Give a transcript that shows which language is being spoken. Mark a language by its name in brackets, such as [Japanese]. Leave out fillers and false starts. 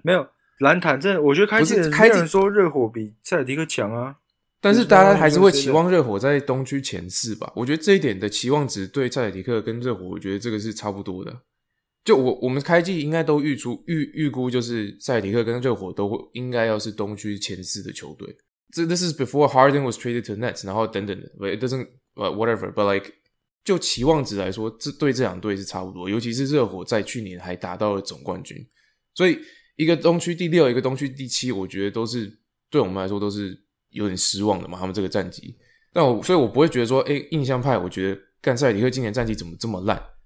[Chinese] 没有蓝坛，真的，我觉得开机的没有人说热火比塞尔提克强啊。但是大家还是会期望热火在东区前四吧？我觉得这一点的期望值对塞尔提克跟热火，我觉得这个是差不多的。就我们开机应该都预估，就是塞尔提克跟热火都应该要是东区前四的球队。 [English] This is before Harden was traded to Nets， [Chinese] 然后等等的 [English] ，but it doesn't whatever， but like。 [Chinese] 就期望值来说，这对这两队是差不多，尤其是热火在去年还达到了总冠军，所以一个东区第六，一个东区第七，我觉得都是对我们来说都是有点失望的嘛。他们这个战绩，但我所以我不会觉得说，哎、欸，印象派，我觉得干塞尔提克今年战绩怎么这么烂？